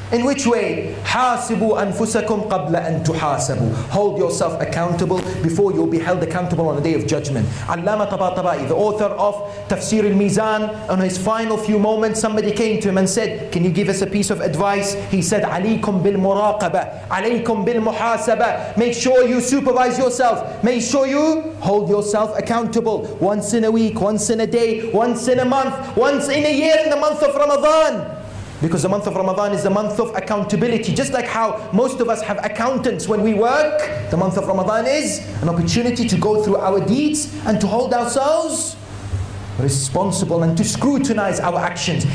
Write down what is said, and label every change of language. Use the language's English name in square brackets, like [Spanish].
[English] In which way? [Arabic] حَاسِبُوا أَنفُسَكُمْ قَبْلَ أَن تُحَاسَبُوا. [English] Hold yourself accountable before you'll be held accountable on the Day of Judgment. Allama Tabatabai, the author of Tafsir al-Mizan, on his final few moments, somebody came to him and said, can you give us a piece of advice? He said, [Arabic] عَلَيْكُمْ بِالْمُرَاقَبَةِ عَلَيْكُمْ بِالْمُحَاسَبَةِ. [English] Make sure you supervise yourself. Make sure you hold yourself accountable. Once in a week, once in a day, once in a month, once in a year, in the month of Ramadan. Because the month of Ramadan is the month of accountability. Just like how most of us have accountants when we work, the month of Ramadan is an opportunity to go through our deeds and to hold ourselves responsible and to scrutinize our actions.